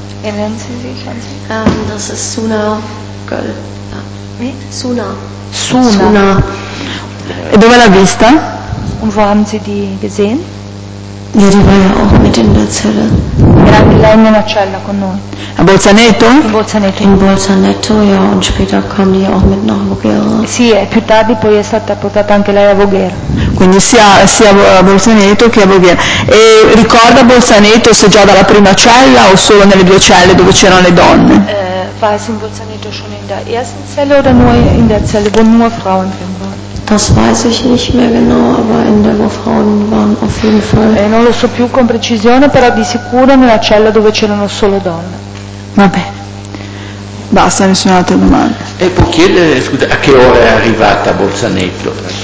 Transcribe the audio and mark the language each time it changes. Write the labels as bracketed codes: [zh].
[de] Erinnern Sie sich an sie? Das ist Suna Girl. Suna. [it] Suna. Suna. E dove l'ha vista? [de] Und wo haben Sie die gesehen? Ja, die war ja auch mit in der Zelle. [it] Era anche lei in una cella con noi. A Bolzaneto? [de] In Bolzaneto. In Bolzaneto, ja, und später kam die auch mit nach Voghera. [it] Sì, e più tardi poi è stata portata anche lei a Voghera. Quindi sia a Bolzaneto che a Voghera. E ricorda Bolzaneto se già dalla prima cella o solo nelle due celle dove c'erano le donne? [de] War es in Bolzaneto schon in der ersten Zelle oder nur in der Zelle, wo nur Frauen drin waren? Das weiß ich nicht mehr genau, aber in der, wo Frauen waren, auf jeden Fall. [it] Non lo so più con precisione, però di sicuro nella cella dove c'erano solo donne. Va bene. Basta, nessuna altra domanda. E può chiedere, scusa, a che ora è arrivata a Bolzaneto?